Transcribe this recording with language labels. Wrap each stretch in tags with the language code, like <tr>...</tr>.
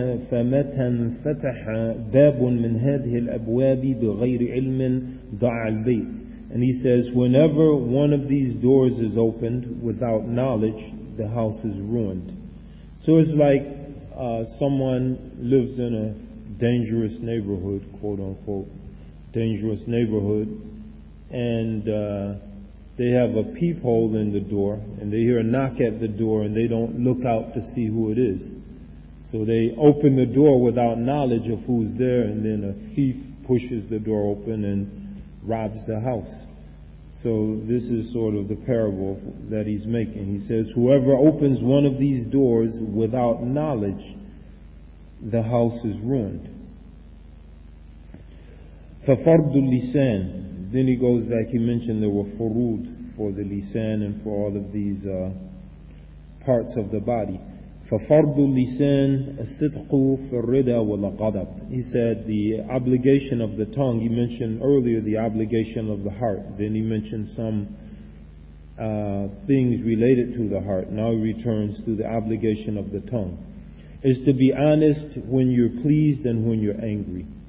<ar>فمتى انفتح باب من هذه الأبواب بغير علم ضاع البيت.</ar> <en>And he says, whenever one of these doors is opened without knowledge, the house is ruined. So it's like someone lives in a dangerous neighborhood, quote unquote, dangerous neighborhood, and they have a peephole in the door, and they hear a knock at the door, and they don't look out to see who it is. So they open the door without knowledge of who's there, and then a thief pushes the door open and robs the house. So this is sort of the parable that he's making. He says, whoever opens one of these doors without knowledge, the house is ruined.</en> <ar>فَفَرْضُ</ar> <en>lisan. Then he goes back, he mentioned there were furud for the lisan and for all of these parts of the body.</en> <ar>فَفَرْضُ lisan الصِّدْقُ فِالرِّدَى وَالْغَضَبُ.</ar> <en>He said the obligation of the tongue, he mentioned earlier the obligation of the heart. Then he mentioned some things related to the heart. Now he returns to the obligation of the tongue. Is to be honest when you're pleased and when you're angry.</en>